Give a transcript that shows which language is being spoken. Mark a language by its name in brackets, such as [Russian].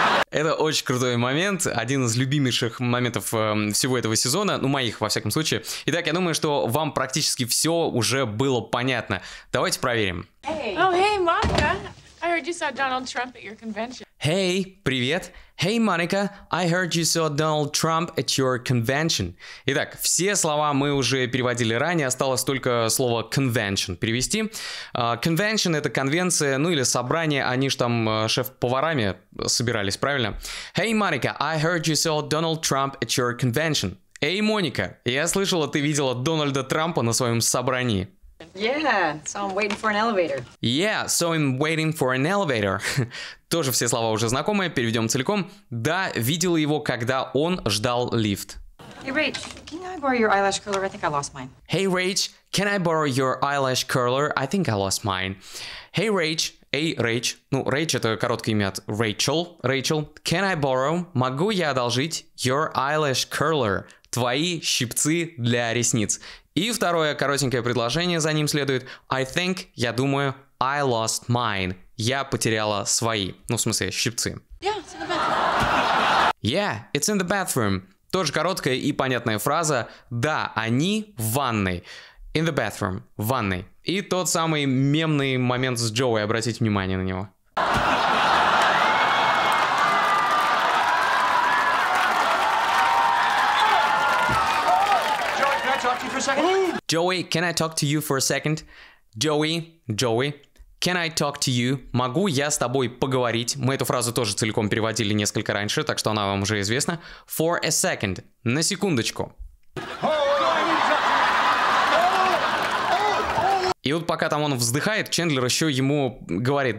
[Russian] Это очень крутой момент, один из любимейших моментов всего этого сезона, ну, моих, во всяком случае. Итак, я думаю, что вам практически все уже было понятно. Давайте проверим. [English] Hey, Monica! I heard you saw Donald Trump at your convention. [Russian] Hey, привет! [English] Hey, Monica, I heard you saw Donald Trump at your convention. [Russian] Итак, все слова мы уже переводили ранее, осталось только слово convention перевести. Convention — это конвенция, ну или собрание, они же там шеф-поварами собирались, правильно? [English] Hey, Monica, I heard you saw Donald Trump at your convention. [Russian] Эй, Моника, я слышала, ты видела Дональда Трампа на своем собрании. [English] Yeah, so I'm waiting for an elevator. Yeah, so I'm waiting for an elevator. [Russian] Тоже все слова уже знакомые, переведем целиком. Да, видел его, когда он ждал лифт. [English] Hey, Rach, can I borrow your eyelash curler? I think I lost mine. Hey, Rach, can I borrow your eyelash curler? I think I lost mine. Hey, Rach, [Russian] эй, Рэйч. Ну, Рэйч — это короткое имя от Рэйчел. [English] Рэйчел, can I borrow, [Russian] могу я одолжить [English] your eyelash curler? [Russian] Твои щипцы для ресниц. И второе коротенькое предложение за ним следует. [English] I think, [Russian] я думаю, [English] I lost mine. [Russian] Я потеряла свои. Ну, в смысле, щипцы. [English] Yeah, it's in the bathroom. Yeah, it's in the bathroom. [Russian] Тоже короткая и понятная фраза. Да, они в ванной. [English] In the bathroom. [Russian] В ванной. И тот самый мемный момент с Джоуи. Обратите внимание на него. [English] Joey, can I talk to you for a second? Joey, can I talk to you? [Russian] Могу я с тобой поговорить? Мы эту фразу тоже целиком переводили несколько раньше, так что она вам уже известна. [English] For a second. [Russian] На секундочку. И вот пока там он вздыхает, Чендлер еще ему говорит.